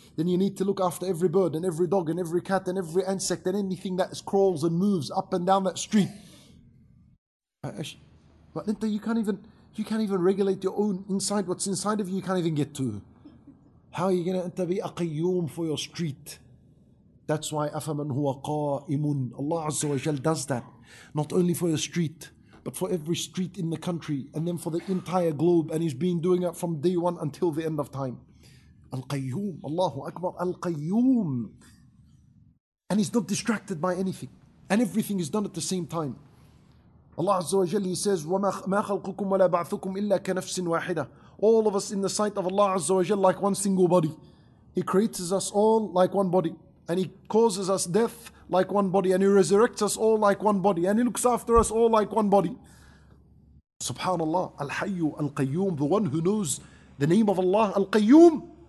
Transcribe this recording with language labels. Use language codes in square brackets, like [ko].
[en] Then you need to look after every bird and every dog and every cat and every insect and anything that crawls and moves up and down that street. But Linda, you can't even regulate your own inside. What's inside of you, you can't even get to. How are you going to be a qayyum for your street? That's why [ar] أَفَمَنْ هُوَ قَائِمٌ. [en] Allah Azza wa Jal does that. Not only for your street, but for every street in the country, and then for the entire globe, and He's been doing it from day one until the end of time. Al-Qayyum, Allahu Akbar, Al-Qayyum. And He's not distracted by anything. And everything is done at the same time. [ar] Allah Azza wa Jal, [en] He says, [ar] وَمَا خَلْقُكُمْ وَلَا بَعْثُكُمْ إِلَّا كَنَفْسٍ وَاحِدَةٍ. [en] All of us in the sight of Allah Azza wa Jal like one single body. He creates us all like one body. And He causes us death like one body. And He resurrects us all like one body. And He looks after us all like one body. Subhanallah, Al-Hayyu, Al-Qayyum, the one who knows the name of Allah, Al-Qayyum.